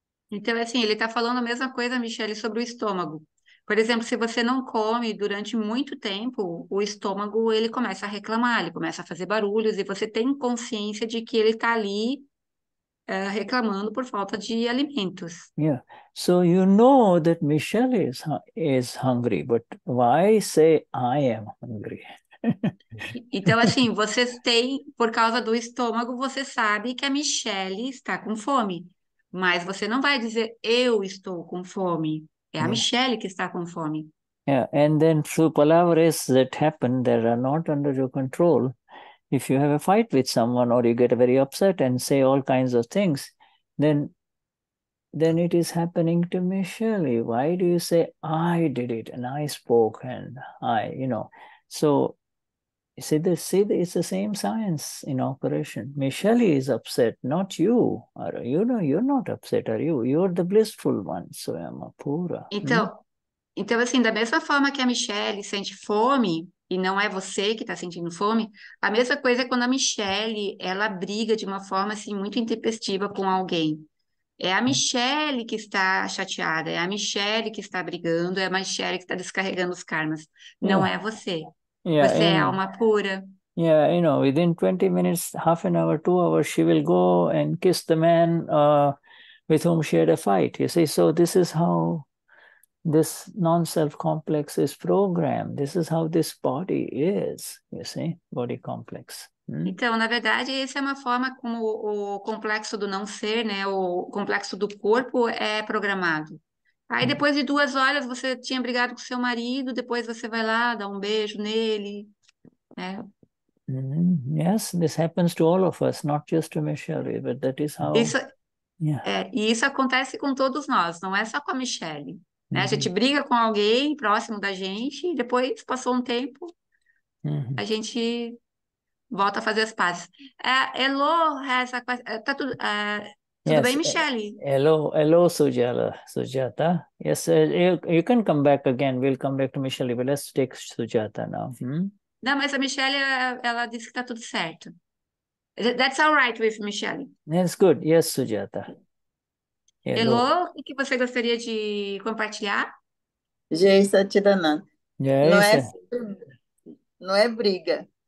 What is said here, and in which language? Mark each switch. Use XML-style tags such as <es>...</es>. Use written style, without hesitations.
<pt>Então, assim, ele está falando a mesma coisa, Michele, sobre o estômago. Por exemplo, se você não come durante muito tempo, o estômago, ele começa a reclamar, ele começa a fazer barulhos, e você tem consciência de que ele está ali, reclamando por falta de alimentos.</pt> <en>Yeah. So you know that Michelle is hungry, but why say I am hungry?</en> <pt>Então, assim, vocês têm, por causa do estômago, você sabe que a Michele está com fome. Mas você não vai dizer eu estou com fome. É a</pt> <en>Yeah.</en> <pt>Michelle que está com fome.</pt> <en>Yeah, and then through palavras that happen that are not under your control, if you have a fight with someone or you get very upset and say all kinds of things, then it is happening to Michelle. Why do you say I did it and I spoke and I, you know? So you see this, see the, it's the same science in operation. Michelle is upset, not you. You know, you're not upset, are you? You're the blissful one, so I'm a pura.</en> <pt>Então, assim, da mesma forma que a Michelle sente fome, e não é você que está sentindo fome, a mesma coisa é quando a Michelle, ela briga de uma forma, assim, muito intempestiva com alguém. É a Michelle que está chateada, é a Michelle que está brigando, é a Michelle que está descarregando os karmas. Não é você. Você é alma pura.</pt> <en>Within 20 minutes, half an hour, 2 hours, she will go and kiss the man with whom she had a fight. You see, so this is how this non-self complex is programmed. This is how this body is, you see, body complex.</en> <pt>Então, na verdade, essa é uma forma como o complexo do não ser, né, o complexo do corpo é programado. Aí, depois de 2 horas, você tinha brigado com seu marido, depois você vai lá, dá um beijo nele, né?</pt> <en>Yes, this happens to all of us, not just to Michelle, but that is how.</en> <pt>E isso acontece com todos nós, não é só com a Michelle, né? A gente briga com alguém próximo da gente, e depois, passou um tempo, a gente volta a fazer as pazes. Hello, essa tá tudo, tudo bem, Michele?</pt> <en>hello, hello, Sujata. Yes, you can come back again. We'll come back to Michelle, but let's take Sujata now.</en> <pt>Não, mas a Michele, ela disse que tá tudo certo.</pt> <en>That's all right with Michele. That's good. Yes, Sujata. Hello.</en> <pt>Hello, o que você gostaria de compartilhar? Jai Satyananda. Não</pt> <en>Yes.</en> <pt>é assim, não é briga.</pt>